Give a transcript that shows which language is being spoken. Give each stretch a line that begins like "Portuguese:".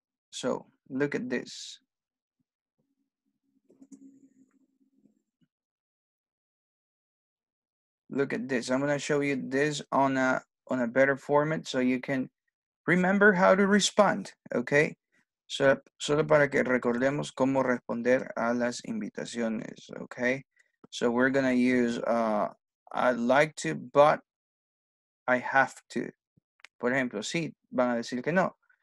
English: So, look at this. Look at this. I'm going to show you this on a better format so you can remember how to respond, okay?
Spanish: So, solo para que recordemos cómo responder a las invitaciones, okay?
English: So we're going to use I'd like to, but I have to.
Spanish: Por ejemplo, sí, van a decir que no.